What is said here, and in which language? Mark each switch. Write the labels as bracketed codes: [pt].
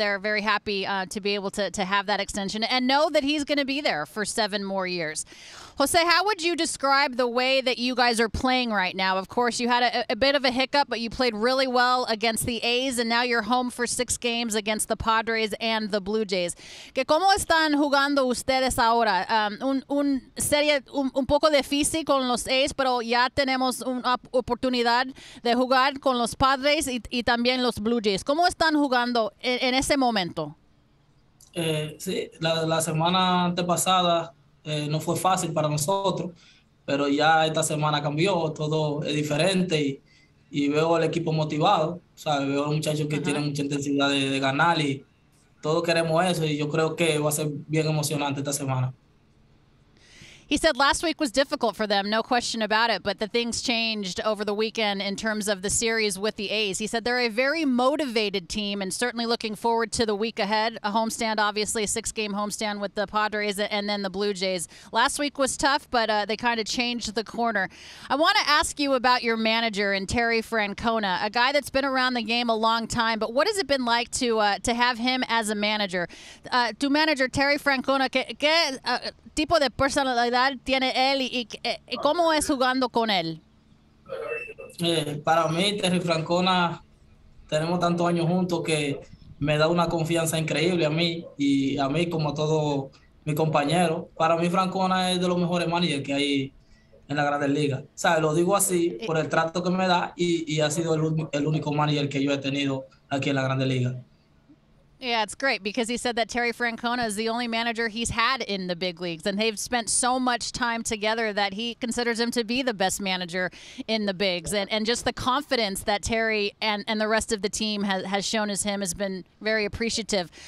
[en] They're very happy to be able to have that extension and know that he's going to be there for seven more years. Jose, how would you describe the way that you guys are playing right now? Of course, you had a bit of a hiccup, but you played really well against the A's, and now you're home for six games against the Padres and the Blue Jays. [es] ¿Qué cómo están jugando ustedes ahora? Un serie un poco difícil con los A's, pero ya tenemos una oportunidad de jugar con los Padres y también los Blue Jays. ¿Cómo están jugando en ese momento? Sí, la semana antepasada no fue fácil para nosotros, pero ya esta semana cambió, todo es diferente y veo al equipo motivado, o sea, veo a los muchachos que tienen mucha intensidad de ganar y todos queremos eso y yo creo que va a ser bien emocionante esta semana. [en] He said last week was difficult for them, no question about it, but the things changed over the weekend in terms of the series with the A's. He said they're a very motivated team and certainly looking forward to the week ahead. A homestand, obviously, a six-game homestand with the Padres and then the Blue Jays. Last week was tough, but they kind of changed the corner. I want to ask you about your manager and Terry Francona, a guy that's been around the game a long time, but what has it been like to have him as a manager? [es] Tu manager, Terry Francona, ¿qué tipo de personalidad tiene él y cómo es jugando con él? Para mí, Terry Francona, tenemos tantos años juntos que me da una confianza increíble a mí y a mí como a todos mis compañeros. Para mí, Francona es de los mejores managers que hay en la Grandes Ligas. O sea, lo digo así por el trato que me da y ha sido el único manager que yo he tenido aquí en la Grandes Ligas. [en] Yeah, it's great because he said that Terry Francona is the only manager he's had in the big leagues, and they've spent so much time together that he considers him to be the best manager in the bigs. And just the confidence that Terry and the rest of the team has shown as him has been very appreciative.